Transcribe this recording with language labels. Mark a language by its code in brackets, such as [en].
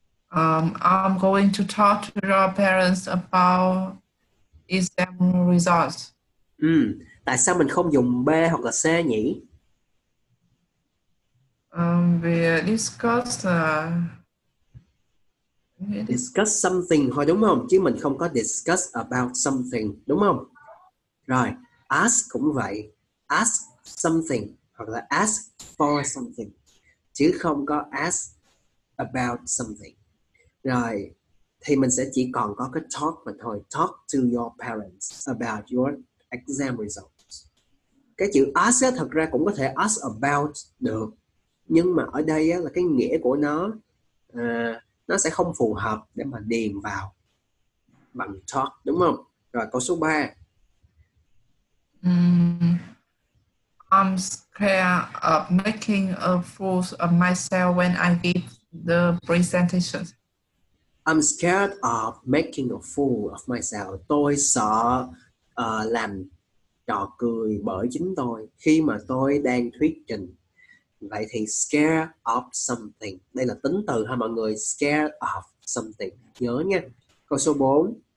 [en] I'm going to talk to your parents about exam results. [vi] Tại sao mình không dùng B hoặc là C nhỉ? [en] We discuss something [vi] thôi đúng không? Chứ mình không có [en] discuss about something [vi] đúng không? Rồi, ask cũng vậy. [en] Ask something [vi] hoặc là [en] ask for something, [vi] chứ không có [en] ask about something. [vi] Rồi, thì mình sẽ chỉ còn có cái talk mà thôi. [en] Talk to your parents about your exam results. [vi] Cái chữ ask ấy, thật ra cũng có thể [en] ask about [vi] được. Nhưng mà ở đây á, là cái nghĩa của nó sẽ không phù hợp để mà điền vào bằng talk, đúng không? Rồi, câu số 3. [en] I'm scared of making a fool of myself when I give the presentation. I'm scared of making a fool of myself. [vi] Tôi sợ làm trò cười bởi chính tôi khi mà tôi đang thuyết trình. Vậy thì [en] scared of something, [vi] đây là tính từ ha mọi người, scared of something, nhớ nha. Câu số 4.